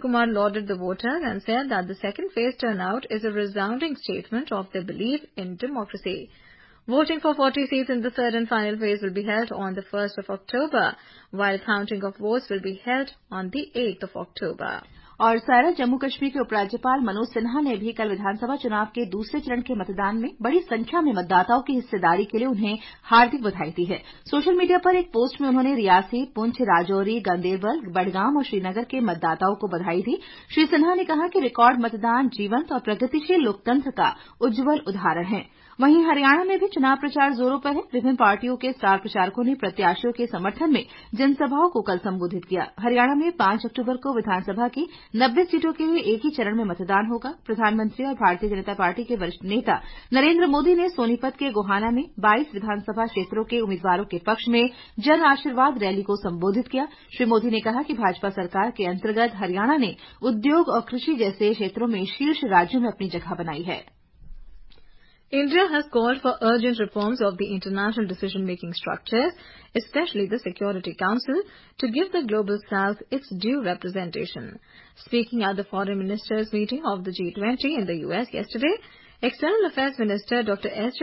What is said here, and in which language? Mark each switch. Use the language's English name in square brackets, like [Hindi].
[English] Kumar lauded the voters and said that the second phase turnout is a resounding statement of their belief in democracy. Voting for 40 seats in the third and final phase will be held on the 1st of October, while counting of votes will be held on the 8th of October. [Hindi] और सारा, जम्मू कश्मीर के उपराज्यपाल मनोज सिन्हा ने भी कल विधानसभा चुनाव के दूसरे चरण के मतदान में बड़ी संख्या में मतदाताओं की हिस्सेदारी के लिए उन्हें हार्दिक बधाई दी है। सोशल मीडिया पर एक पोस्ट में उन्होंने रियासी, पुंछ, राजौरी, गंदेरबल, बडगाम और श्रीनगर के मतदाताओं को बधाई दी। श्री सिन्हा ने कहा कि रिकॉर्ड मतदान जीवंत और प्रगतिशील लोकतंत्र का उज्ज्वल उदाहरण है। वहीं हरियाणा में भी चुनाव प्रचार जोरों पर है। विभिन्न पार्टियों के स्टार प्रचारकों ने प्रत्याशियों के समर्थन में जनसभाओं को कल संबोधित किया। हरियाणा में 5 अक्टूबर को विधानसभा की 90 सीटों के लिए एक ही चरण में मतदान होगा। प्रधानमंत्री और भारतीय जनता पार्टी के वरिष्ठ नेता नरेंद्र मोदी ने सोनीपत के गोहाना में 22 विधानसभा क्षेत्रों के उम्मीदवारों के पक्ष में जन आशीर्वाद रैली को संबोधित किया। श्री मोदी ने कहा कि भाजपा सरकार के अंतर्गत हरियाणा ने उद्योग और कृषि जैसे क्षेत्रों में शीर्ष राज्यों में अपनी जगह बनाई है। [English] India has called for urgent reforms of the international decision-making structures, especially the Security Council, to give the Global South its due representation. Speaking at the Foreign Ministers' meeting of the G20 in the US yesterday, External Affairs Minister Dr. S.